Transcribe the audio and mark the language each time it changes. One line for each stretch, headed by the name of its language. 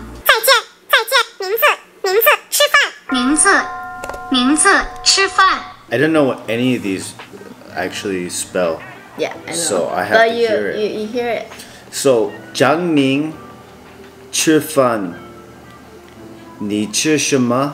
Chinese: 再见再见，名字名字吃饭，名字名字吃饭。
English: I don't know what any of these actually spell. Yeah, I know. So I have、 But、 to hear it. You hear it.
Chinese: So, 张明吃饭，你吃什么？